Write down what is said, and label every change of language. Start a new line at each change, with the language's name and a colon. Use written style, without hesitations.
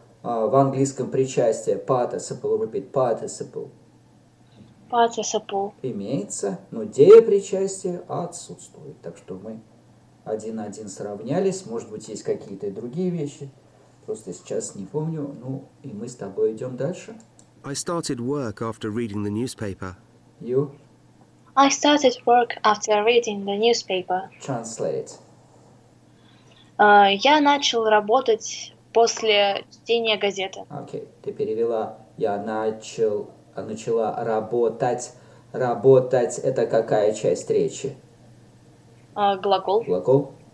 Russian: В английском причастие
English: participle, repeat participle. Participle. participle.
Russian: Имеется, но деепричастие отсутствует. Так что мы один-один сравнялись. Может быть, есть какие-то другие вещи. Просто сейчас не помню. Ну, и мы с тобой идем дальше.
English: I started work after reading the newspaper. You? I started work after reading the newspaper. Translate.
Russian: Я начал работать после чтения газеты. Окей, ты перевела. Я начала работать. Работать – это какая часть речи? Глагол. Глагол.